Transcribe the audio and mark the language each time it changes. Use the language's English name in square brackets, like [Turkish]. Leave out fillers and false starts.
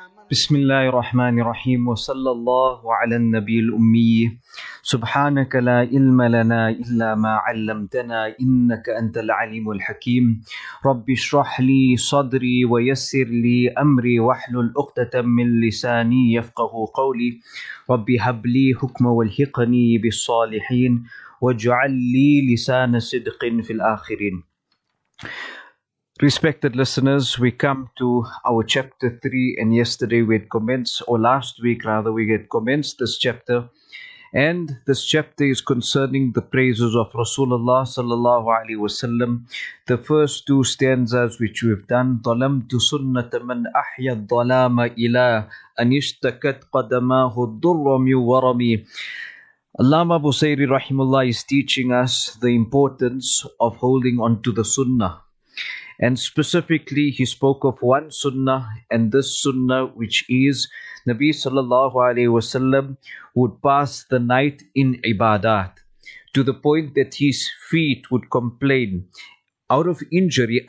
[Arabic] بسم الله الرحمن الرحيم وصلى الله على النبي الأمي سبحانك لا علم لنا إلا ما علمتنا إنك أنت العليم الحكيم رب اشرح لي صدري ويسر لي أمري واحلل عقدة من لساني يفقه قولي رب هب لي حكما والحقني بالصالحين واجعل لي لسان صدق في الآخرين. [English] Respected listeners, we come to our chapter 3, and yesterday we had commenced, or last week rather, we had commenced this chapter. And this chapter is concerning the praises of Rasulullah sallallahu alaihi wasallam. The first two stanzas which we've done, [Arabic] ظَلَمْتُ سُنَّةَ مَنْ أَحْيَى الظَّلَامَ إِلَىٰ أَنْ يُشْتَكَتْ قَدَمَاهُ الدُّرَّمِ وَرَمِي. [English] Allama Busayri rahimullah is teaching us the importance of holding on to the sunnah. And specifically, he spoke of one sunnah, and this sunnah, which is Nabi sallallahu alayhi wasallam would pass the night in ibadat to the point that his feet would complain out of injury.